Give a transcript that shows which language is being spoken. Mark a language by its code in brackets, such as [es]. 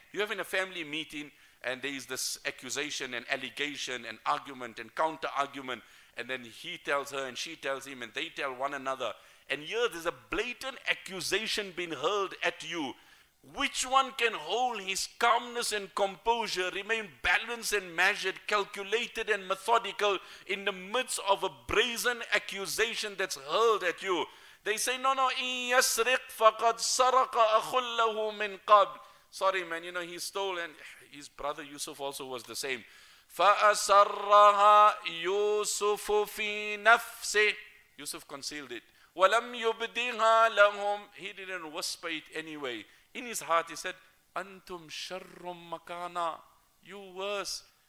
[en] You have in a family meeting and there is this accusation and allegation and argument and counter argument, and then he tells her and she tells him and they tell one another, and here there's a blatant accusation being hurled at you. Which one can hold his calmness and composure, remain balanced and measured, calculated and methodical in the midst of a brazen accusation that's hurled at you? They say, no, [ar] إِن يَسْرِقْ فَقَدْ سَرَقَ أَخُلَّهُ مِنْ قَبْلِ. [en] sorry man, you know, he stole, and his brother Yusuf also was the same. [ar] فَأَسَرَّهَا يُوسُفُ فِي نَفْسِهِ. [en] Yusuf concealed it. [ar] وَلَمْ يُبْدِهَا لَهُمْ. [en] He didn't whisper it anyway. In his heart he said, [ar] أَنْتُمْ شَرُّمْ مَكَانَا. [en] You worse.